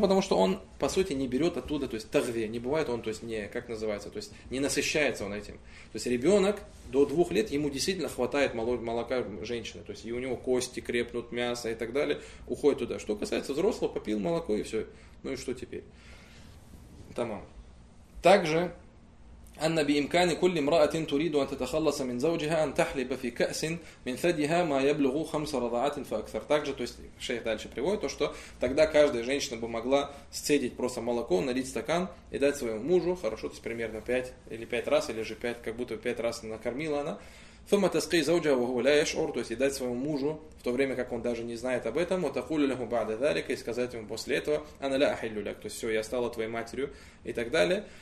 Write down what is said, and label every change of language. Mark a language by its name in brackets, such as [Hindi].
[Russian] Потому что он, по сути, не берет оттуда, то есть тагве, не бывает он, то есть не, как называется, то есть не насыщается он этим. То есть ребенок до 2 лет, ему действительно хватает молока женщины. То есть и у него кости крепнут, мясо и так далее, уходит туда. Что касается взрослого, попил молоко и все. Ну и что теперь? Тамам. Также... [Arabic] أن بإمكان كل امرأة تريد أن تتخلص من زوجها أن تحلب في كأس من ثديها ما يبلغ 5 رضعات فأكثر. [Russian] Также, то есть, шейх дальше приводит то, что тогда каждая женщина бы могла сцедить просто молоко, налить стакан и дать своему мужу, хорошо, то есть примерно 5 или 5 раз, или же 5, как будто 5 раз накормила она. [Arabic] ثم تسقي زوجها وهو لا يشعر, [Russian] то есть, и дать своему мужу в то время, как он даже не знает об этом, [Arabic] وتقول له بعد ذلك, [Russian] и сказать ему после этого, [Arabic] أنا لا أحل لك, [Russian] то есть все, я стала твоей матерью и так далее.